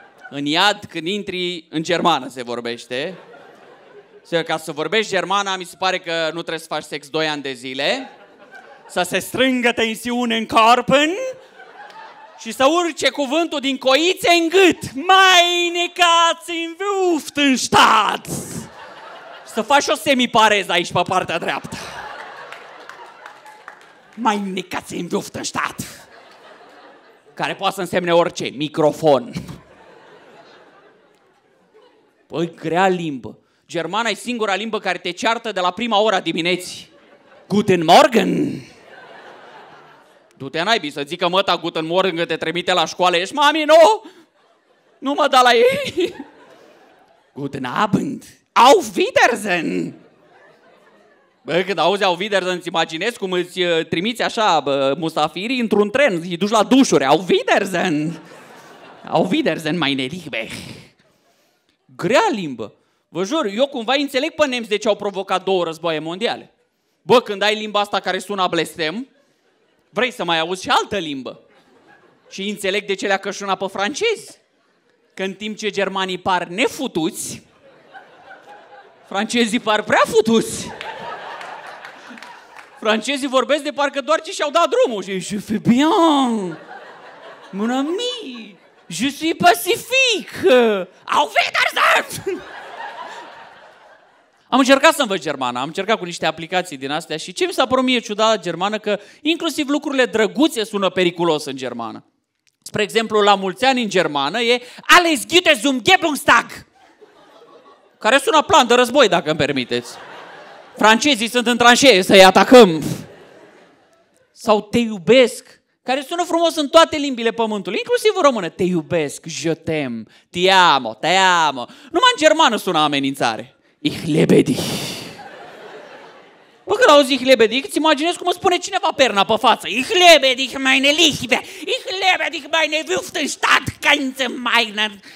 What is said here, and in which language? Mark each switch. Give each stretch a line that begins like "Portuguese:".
Romanian: În iad, când intri, în germană se vorbește. Ca să vorbești germana, mi se pare că nu trebuie să faci sex 2 ani de zile, să se strângă tensiune în corpen și să urce cuvântul din coițe în gât.
German: Meine Katzen wuft in Stadt!
Romanian: Să faci o semipareză aici pe partea dreaptă. Mai necați în viuftă în stat. Care poate să însemne orice. Microfon. Păi, grea limbă. Germana e singura limbă care te ceartă de la prima ora dimineții.
German: Guten Morgen.
Romanian: Du-te naibii să zică măta Guten Morgen că te trimite la școală. Ești mami, nu? Nu mă da la ei.
German: Guten Abend. Auf Wiedersehen.
Romanian: Bă, când auzi
German: Auf Wiedersehen,
Romanian: îți imaginezi cum îți trimiți așa bă, musafirii într-un tren, îi duci la dușuri.
German: Auf Wiedersehen! Auf Wiedersehen, meine Liebe!
Romanian: Grea limbă. Vă jur, eu cumva înțeleg pe nemți de ce au provocat două războaie mondiale. Bă, când ai limba asta care sună blestem, vrei să mai auzi și altă limbă. Și înțeleg de ce le-a cășunat pe francezi. Că în timp ce germanii par nefutuți, francezii par prea futuți. francezii vorbesc de parcă doar ce și-au dat drumul. Și
French: je fais bien, mon ami, je suis pacifique,
German: au wiedersehen.
Romanian: Am încercat să învăț germana, am încercat cu niște aplicații din astea și ce mi s-a părut mie ciudat la germană, că inclusiv lucrurile drăguțe sună periculos în germană. Spre exemplu, la mulți ani în germană e
German: Alles Gute zum Geburtstag,
Romanian: care sună plan de război, dacă îmi permiteți. Francezii sunt în tranșee, să-i atacăm. Sau te iubesc, care sună frumos în toate limbile pământului, inclusiv în română. Te iubesc,
French: je t'aime,
Italian: ti amo,
Spanish: te amo.
Romanian: Numai în germană sună amenințare.
German: Ich liebe dich.
Romanian: Bă, când auzi
German: ich liebe dich,
Romanian: îți imaginezi cum îți spune cineva perna pe față.
German: Ich liebe dich, meine Liebe. Ich liebe dich, meine Wüftenstadt, ganz meine.